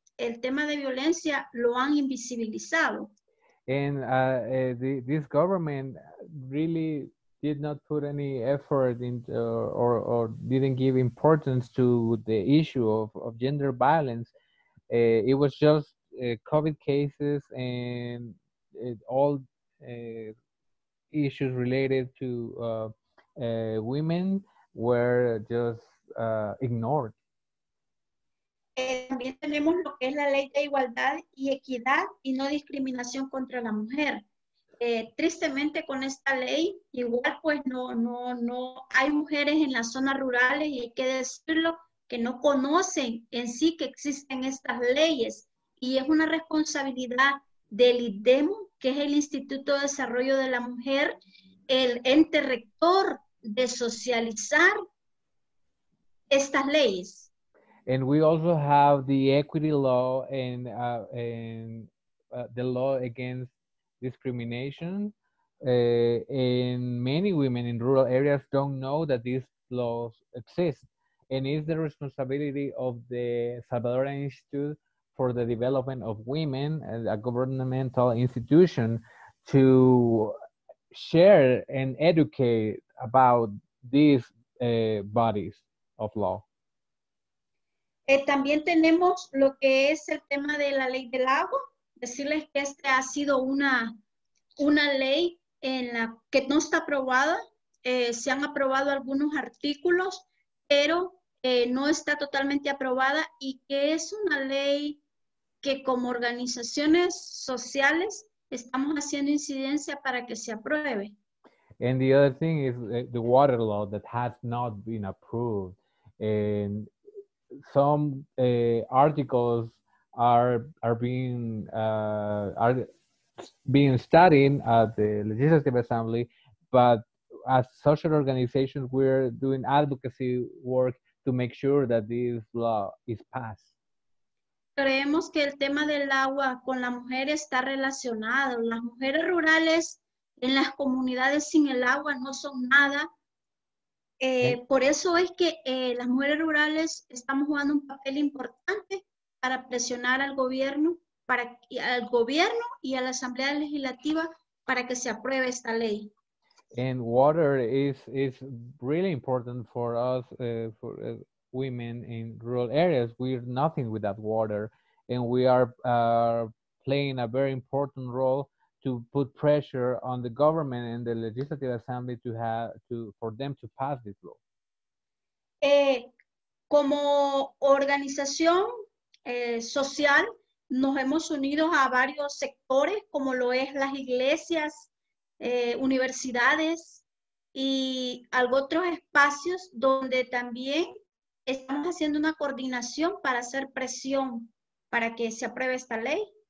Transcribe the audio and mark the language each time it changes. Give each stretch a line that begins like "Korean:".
Spanish: El tema de violencia lo han invisibilizado.
English: And this government really did not put any effort into or didn't give importance to the issue of gender violence. It was just COVID cases and all issues related to women were just ignored.
Spanish: También tenemos lo que es la ley de igualdad y equidad y no discriminación contra la mujer. Tristemente con esta ley, igual pues no hay mujeres en las zonas rurales y hay que decirlo que no conocen en sí que existen estas leyes y es una responsabilidad del IDEMU, que es el Instituto de Desarrollo de la Mujer, el ente rector de socializar estas leyes.
English: And we also have the equity law and the law against discrimination. And many women in rural areas don't know that these laws exist. And it's the responsibility of the Salvadoran Institute for the Development of Women, a governmental institution, to share and educate about these bodies of law.
Spanish: También tenemos lo que es el tema de la ley del agua. Decirles que este ha sido una ley en la que no está aprobada. Se han aprobado algunos artículos, pero no está totalmente aprobada, y que es una ley que como organizaciones sociales estamos haciendo incidencia para que se apruebe.
English: And the other thing is the water law that has not been approved. And some articles are being studied at the Legislative Assembly, but as social organizations, we're doing advocacy work to make sure that this law is passed.
Spanish: Creemos que el tema del agua con la mujer está relacionado. Las mujeres rurales en las comunidades sin el agua no son nada. Por eso es que las mujeres rurales estamos jugando un papel importante para presionar al gobierno, y a la Asamblea Legislativa para que se apruebe esta ley.
English: And water is really important for us, for women in rural areas. We're nothing without water, and we are playing a very important role to put pressure on the government and the Legislative Assembly for them to pass this law.
Spanish: Como organización social, nos hemos unido a varios sectores, como lo es las iglesias, universidades y otros espacios, donde también estamos haciendo una coordinación para hacer presión para que se apruebe esta ley.